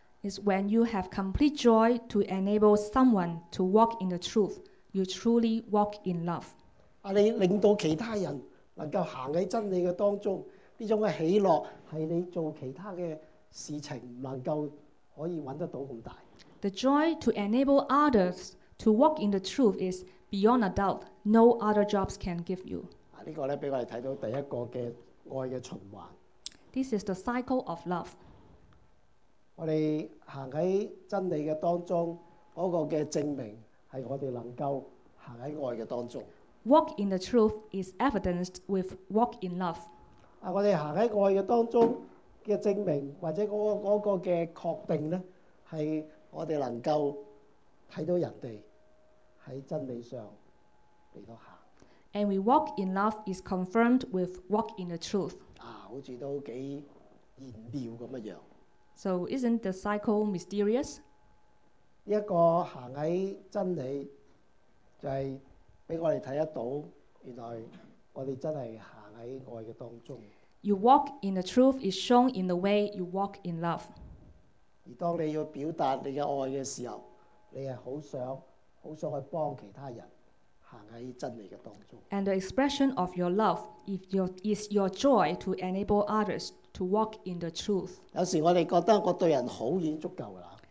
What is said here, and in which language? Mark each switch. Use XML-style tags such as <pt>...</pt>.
<en>It's when you have complete joy to enable someone to walk in the truth, you truly walk in love.</en> <yue>啊，你令到其他人能夠行喺真理嘅當中，呢種嘅喜樂係你做其他嘅事情唔能夠可以揾得到咁大。</yue> <en>The joy to enable others to walk in the truth is beyond a doubt. No other jobs can give you.</en> <yue>啊，呢個咧俾我哋睇到第一個嘅愛嘅循環。</yue> <en>This is the cycle of love.</en> <yue>我哋行喺真理嘅當中，嗰個嘅證明係我哋能夠行喺愛嘅當中。</yue> <en>Walk in the truth is evidenced with walk in love.</en> <yue>啊，我哋行喺愛嘅當中嘅證明，或者嗰個嘅確定咧，係我哋能夠睇到人哋喺真理上嚟到行。</yue> <en>And we walk in love is confirmed with walk in the truth.</en> <yue>啊，好似都幾玄妙咁嘅樣。</yue> <en>So isn't the cycle mysterious?</en> <yue>一個行喺真理，就係俾我哋睇得到，原來我哋真係行喺愛嘅當中。</yue> <en>You walk in the truth is shown in the way you walk in love.</en> <yue>而當你要表達你嘅愛嘅時候，你係好想去幫其他人行喺真理嘅當中。</yue> <en>And the expression of your love is your joy to enable others to walk in the truth.</en> <yue>有時我哋覺得我對人好已經足夠啦。</yue>